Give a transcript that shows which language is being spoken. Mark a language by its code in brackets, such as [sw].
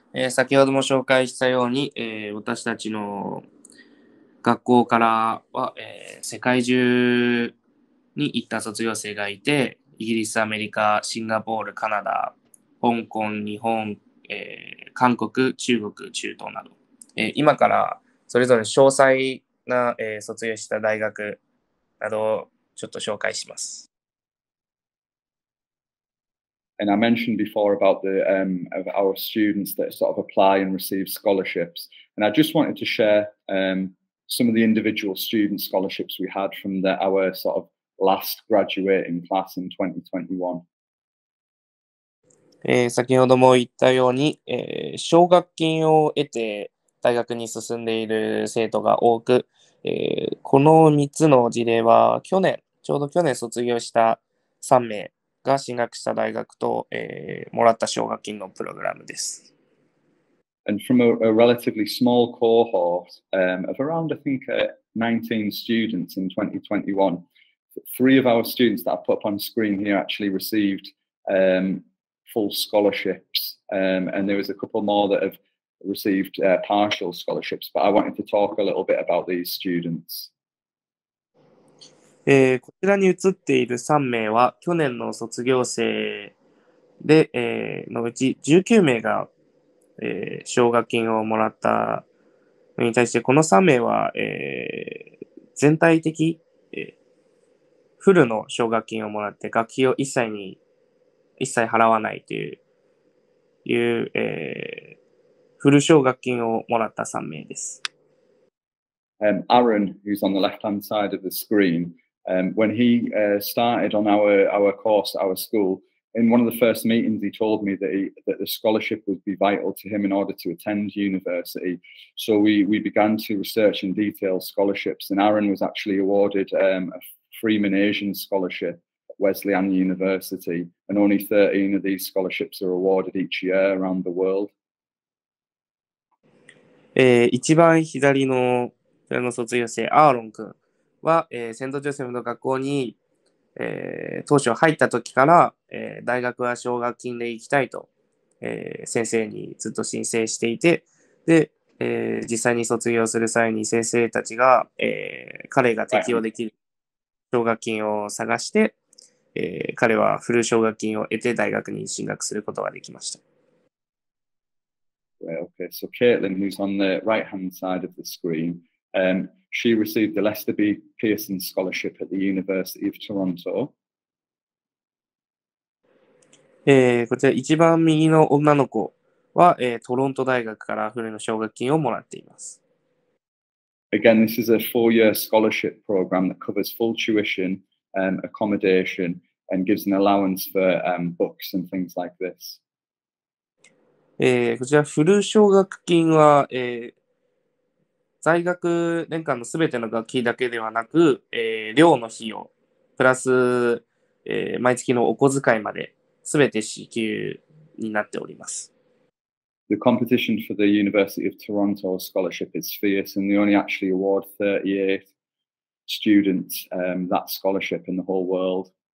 [ja] 先ほども紹介したように、私たちの学校からは、世界中に行った卒業生がいて、イギリス、アメリカ、シンガポール、カナダ、香港、日本、韓国、中国、中東など、今からそれぞれ詳細な、卒業した大学などをちょっと紹介します。 [en] And I mentioned before about the, of our students that sort of apply and receive scholarships. And I just wanted to share, some of the individual student scholarships we had from the, our sort of last graduating class in 2021. [ja] 先ほども言ったように、奨学金を得て大学に進んでいる生徒が多く、この3つの事例は去年、ちょうど去年卒業した3名。が進学した大学と、もらった奨学金のプログラムです。 [en] And from a relatively small cohort, of around I think, 19 students in 2021, three of our students that I put up on screen here actually received, full scholarships, and there was a couple more that have received, partial scholarships, but I wanted to talk a little bit about these students. [ja] こちらに写っている3名は去年の卒業生で、のうち19名が、奨学金をもらったのに対して、この3名は、全体的、フルの奨学金をもらって学費を一切払わないという、フル奨学金をもらった3名です。 [en] Aaron, who's on the left-hand side of the screen, when he started on our course, our school, in one of the first meetings, he told me that the scholarship would be vital to him in order to attend university. So we began to research in detail scholarships, and Aaron was actually awarded a Freeman Asian scholarship at Wesleyan University, and only 13 of these scholarships are awarded each year around the world. [ja] 一番左のこちらの卒業生、アーロン君は、セントジョセフの学校に、当初入った時から、大学は奨学金で行きたいと、先生にずっと申請していて、で、実際に卒業する際に先生たちが、彼が適用できる奨学金を探して、彼はフル奨学金を得て大学に進学することができました。 [en] Right, okay, so Caitlin, who's on the right-hand side of the screen,she received the Lester B. Pearson Scholarship at the University of Toronto. [ja] こちら一番右の女の子は、トロント大学からフルの奨学金をもらっています。 [en] Again, this is a four-year scholarship program that covers full tuition, accommodation, and gives an allowance for, books and things like this. [ja] こちらフル奨学金は、大学年間のすべての学費だけではなく、寮の費用、プラス、毎月のお小遣いまで、すべて支給になっております。 [en] The competition for the University of Toronto scholarship is fierce, and they only actually award 38 students, that scholarship in the whole world.